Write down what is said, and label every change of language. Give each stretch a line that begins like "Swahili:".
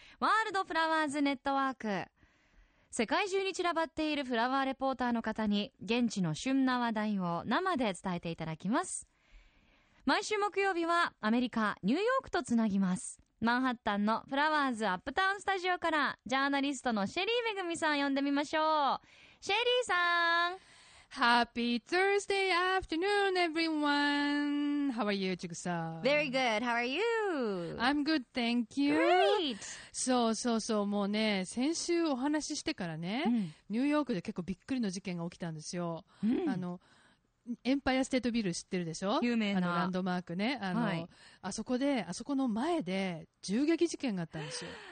Japanese: ワールドフラワーズネットワーク。世界中に散らばっているフラワーレポーターの方に現地の旬な話題を生で伝えていただきます。毎週木曜日はアメリカ、ニューヨークとつなぎます。マンハッタンのフラワーズアップタウンスタジオからジャーナリストのシェリーめぐみさん呼んでみましょう。シェリーさん。
English: Happy Thursday afternoon, everyone. How are you, Chigusa? Very good. How are you? I'm good, thank you. Great.
Japanese: そうそうそう、もうね、先週お話ししてからね、ニューヨークで結構びっくりの事件が起きたんですよ。あの、エンパイアステートビル知ってるでしょ？有名な。あのランドマークね。あの、はい、あそこで、あそこの前で銃撃事件があったんですよ。